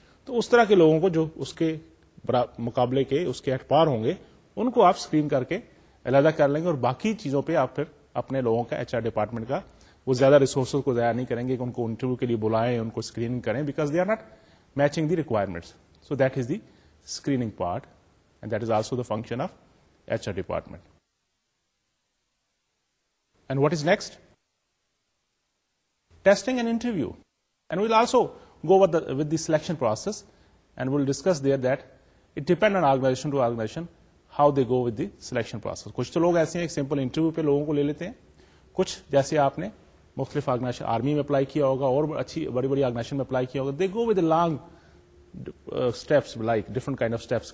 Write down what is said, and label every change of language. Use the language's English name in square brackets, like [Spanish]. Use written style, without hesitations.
[Urdu] تو اس طرح کے لوگوں کو جو اس کے مقابلے کے اس کے ایٹ پار ہوں گے ان کو آپ اسکرین کر کے علیحدہ کر لیں گے, اور باقی چیزوں پہ آپ پھر اپنے لوگوں کا ایچ آر ڈپارٹمنٹ کا وہ زیادہ ریسورسز کو ضائع نہیں کریں گے کہ ان کو انٹرویو کے لیے بلائیں, ان کو اسکریننگ کریں, [English] Because they are not matching the requirements. So that is the screening part, and that is also the function of H R department. And what is next? Testing and interview. And we'll also go with the selection process and we'll discuss there that it depend on organisation to organisation how they go with the selection process. [Urdu] کچھ تو لوگ ایسے ہیں ایک simple interview پہ لوگوں کو لے لیتے ہیں, کچھ جیسے آپ نے مختلف آرگنائزیشن آرمی میں اپلائی کیا ہوگا اور اچھی بڑی بڑی آرگنائزیشن میں اپلائی کیا ہوگا, [English] They go with long steps like different kind of steps.